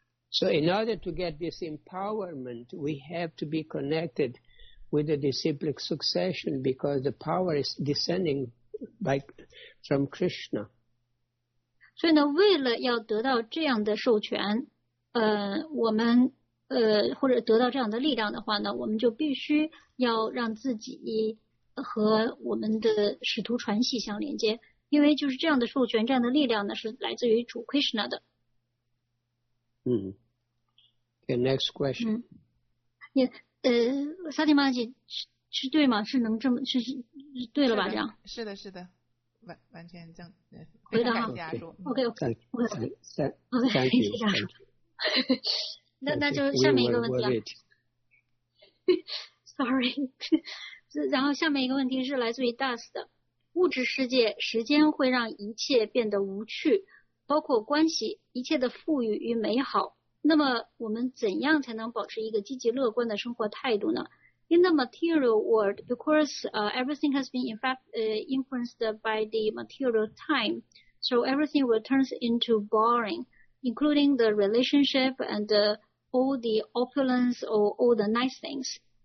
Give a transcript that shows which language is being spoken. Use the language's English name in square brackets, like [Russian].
[English] So in order to get this empowerment, we have to be connected with the disciplic succession because the power is descending by, from Krishna. [Chinese] 所以呢，为了要得到这样的授权，我们或者得到这样的力量的话呢，我们就必须要让自己和我们的使徒传系相连接，因为就是这样的授权，这样的力量呢，是来自于主 Krishna 的。 [English] 嗯 ，The next question. [Chinese] 也、嗯、萨提玛姐是对吗？是能这么 是对了吧？这样是的，是的，完全正。回答哈，OK，OK，OK，OK， 谢谢家属。那就下面一个问题啊。 Sorry， 然后下面一个问题是来自于 Dust 的，物质世界时间会让一切变得无趣。包括关系，一切的富裕与美好。那么我们怎样才能保持一个积极乐观的生活态度呢？ [English] In the material world, of course, everything has been influenced by the material time. So everything will turn into boring, including the relationship and all the opulence or all the nice things.